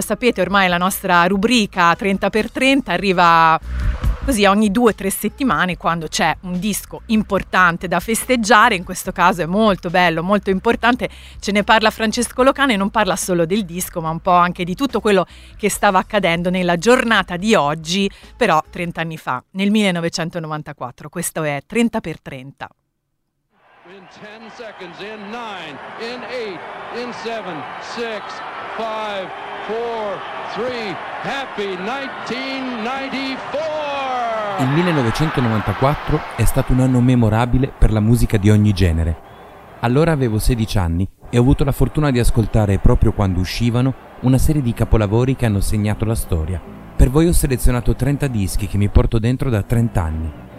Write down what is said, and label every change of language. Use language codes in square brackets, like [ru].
[it] Lo sapete, ormai la nostra rubrica 30x30 arriva così ogni 2-3 settimane, quando c'è un disco importante da festeggiare. In questo caso è molto bello, molto importante, ce ne parla Francesco Locane. Non parla solo del disco, ma un po' anche di tutto quello che stava accadendo nella giornata di oggi, però 30 anni fa, nel 1994. Questo è 30x30. [en] In 10 seconds, in 9, in 8, in 7, 6, 5, 4, 3, happy 1994! [it] Il 1994 è stato un anno memorabile per la musica di ogni genere. Allora avevo 16 anni e ho avuto la fortuna di ascoltare, proprio quando uscivano, una serie di capolavori che hanno segnato la storia. Per voi ho selezionato 30 dischi che mi porto dentro da 30 anni.